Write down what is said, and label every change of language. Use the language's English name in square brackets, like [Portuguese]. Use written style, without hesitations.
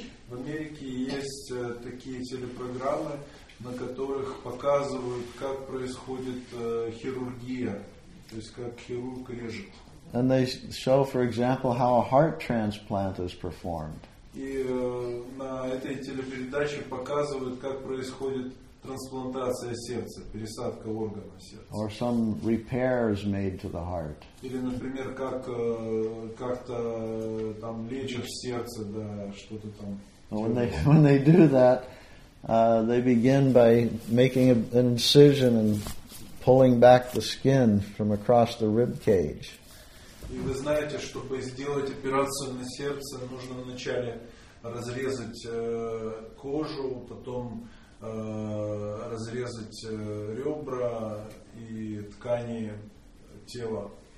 [Russian] В Америке есть такие телепрограммы, на которых показывают, как происходит хирургия, то есть как хирург режет. [English] And they show, for example, how a heart transplant is performed. [Russian] И на этой телепередаче показывают, как происходит трансплантация сердца, пересадка органа сердца. [English] Or some repairs made to the heart. [Russian] Или, например, как как-то там лечат сердце, да, что-то там. [English] When they do that, they begin by making an incision and pulling back the skin from across the rib cage. [Russian] И вы знаете, чтобы сделать операцию на сердце, нужно вначале разрезать кожу, потом разрезать ребра и ткани тела.